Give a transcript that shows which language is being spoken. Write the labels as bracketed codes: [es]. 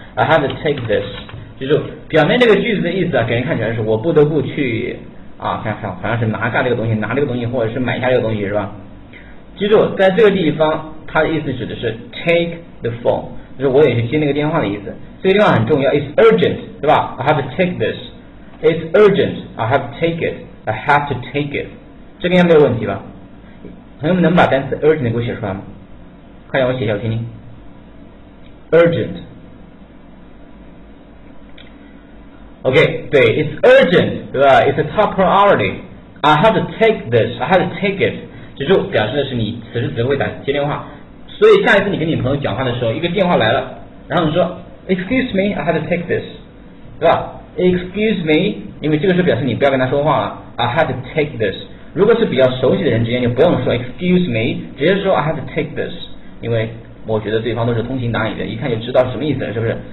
[zh] I have to take this，就是表面这个句子的意思啊，给人看起来是我不得不去啊，好像是拿下这个东西，拿这个东西，或者是买下这个东西，是吧？记住，在这个地方，它的意思指的是 take the phone。就是我也去接那个电话的意思，这个电话很重要。 [en] It's urgent，对吧？I have to take this。 It's urgent， I have to take it。 [zh] I have to take it。这个应该没有问题吧？朋友们能把单词 urgent 给我写出来吗？快让我写一下，我听听。Urgent。 [en] OK，对，It's urgent，对吧？It's a top priority。 I have to take this。 I have to take it。 [zh] 这就表示的是你此时此刻在接电话。所以下一次你跟你朋友讲话的时候，一个电话来了，然后你说 Excuse me, I have to take this，对吧？ Excuse me， 因为这个是表示你不要跟他说话了。 I have to take this。如果是比较熟悉的人之间，就不用说 Excuse me， 直接说 I have to take this，因为我觉得对方都是通情达理的，一看就知道什么意思了，是不是？